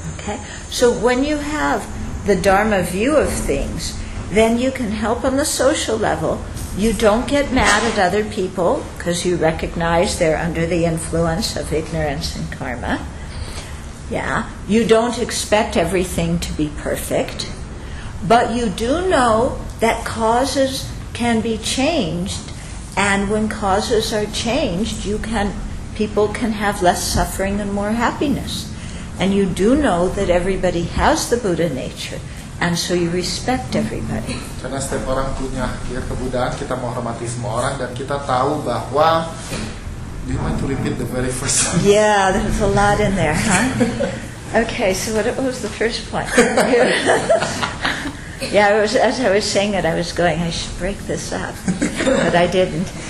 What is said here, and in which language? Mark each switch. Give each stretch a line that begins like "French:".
English: Okay, so when you have the Dharma view of things, then you can help on the social level. You don't get mad at other people because you recognize they're under the influence of ignorance and karma. Yeah, you don't expect everything to be perfect, but you do know that causes can be changed, and when causes are changed, people can have less suffering and more happiness. And you do know that everybody has the Buddha nature, and so you respect everybody.
Indonesian: Karena setiap orang punya kebudayaan, kita menghormati semua orang, dan kita tahu bahwa.
English: Do you mind to repeat the very first one? Yeah, there's a lot in there, huh? Okay, so what was the first point? Yeah, as I was saying it, I was going, I should break this up, but I didn't.